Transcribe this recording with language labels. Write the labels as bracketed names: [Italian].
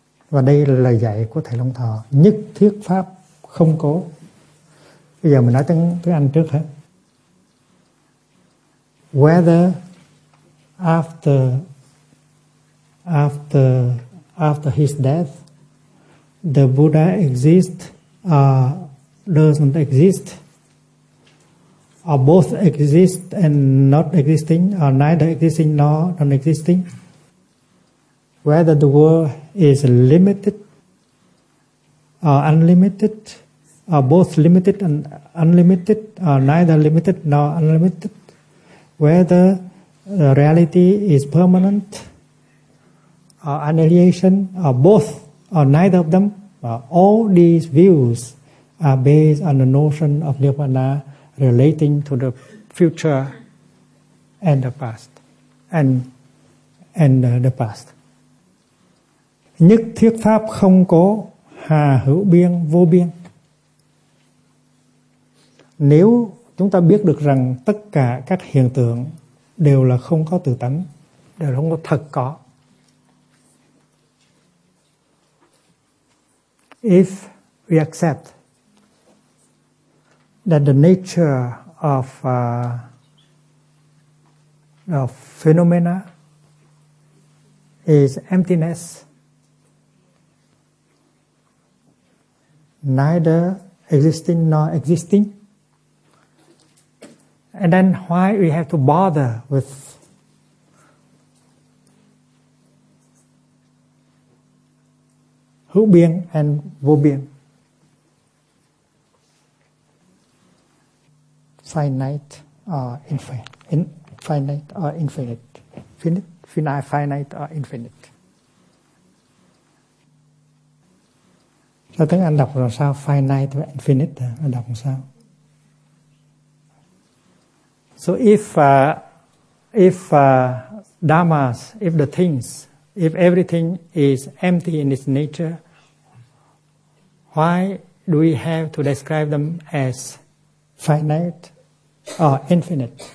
[Vietnamese] Và đây là lời dạy của thầy Long Thọ: nhất thiết pháp không cố. Bây giờ mình nói tiếng Anh trước hết. [English] Whether after his death the Buddha exists or doesn't exist, or both exist and not existing, or neither existing nor non-existing, whether the world is limited or unlimited, or both limited and unlimited, or neither limited nor unlimited, whether reality is permanent or annihilation, or both or neither of them. All these views are based on the notion of Nirvana relating to the future and the past, and the past. [Vietnamese] Nhất thiết pháp không cố, hà hữu biên vô biên. Nếu chúng ta biết được rằng tất cả các hiện tượng đều là không có tự tánh, đều không có thật có. [English] If we accept that the nature of phenomena is emptiness, neither existing nor existing, and then why we have to bother with hữu biên and vô biên, finite or infinite. [Vietnamese] Sao tiếng Anh đọc làm sao? Finite và infinite anh đọc làm sao? [English] So if everything is empty in its nature, why do we have to describe them as finite or infinite?